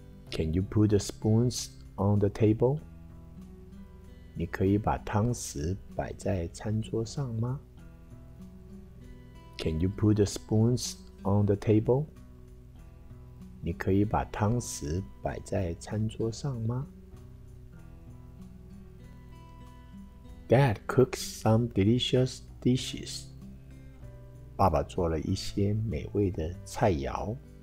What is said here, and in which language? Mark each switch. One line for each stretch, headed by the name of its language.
English: Can you put the spoons on the table?
Chinese: 你可以把汤匙摆在餐桌上吗？
English: Can you put the spoons on the table?
Chinese: 你可以把汤匙摆在餐桌上吗？
English: Dad cooks some delicious dishes.
Chinese: 爸爸做了一些美味的菜肴。